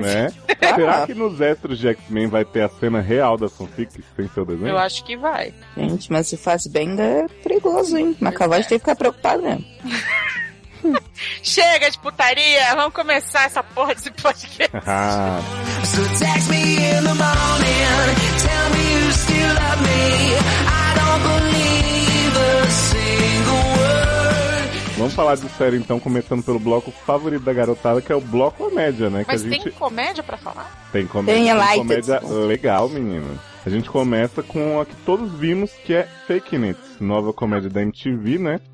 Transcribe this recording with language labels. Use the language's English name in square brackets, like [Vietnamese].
[Portuguese] Né? Será que nos extras de X-Men vai ter a cena real da fanfic sem seu desenho? Eu acho que vai. Gente, mas se faz Bender é perigoso, hein? McAvoy tem que ficar preocupado mesmo. Chega de putaria! Vamos começar essa porra desse podcast. [English] So text me in the morning. Tell me you still love me. [Portuguese] Vamos falar de série, então, começando pelo bloco favorito da garotada, que é o bloco comédia, né? Mas que a gente... tem comédia pra falar? Tem comédia. Tem light. Comédia legal, menina. A gente começa com a que todos vimos, que é Fake It, nova comédia da MTV, né?